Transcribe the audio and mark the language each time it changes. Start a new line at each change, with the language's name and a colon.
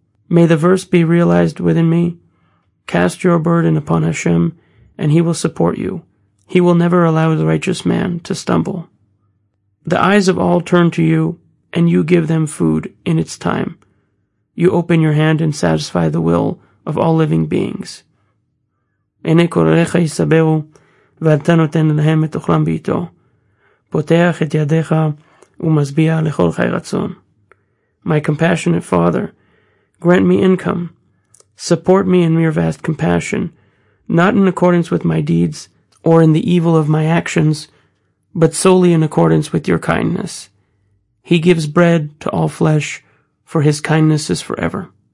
English: May the verse be realized within me, "Cast your burden upon Hashem, and he will support you. He will never allow the righteous man to stumble." The eyes of all turn to you, and you give them food in its time. You open your hand and satisfy the will of all living beings.
Hebrew: Enei korecha yisabehu, ואתה נותן להם את אוכלם בעיתו, פותח את ידיך ומשביע לכל חי רצון.
English: My compassionate Father, grant me income. Support me in your vast compassion, not in accordance with my deeds or in the evil of my actions, but solely in accordance with your kindness. He gives bread to all flesh, for his kindness is forever.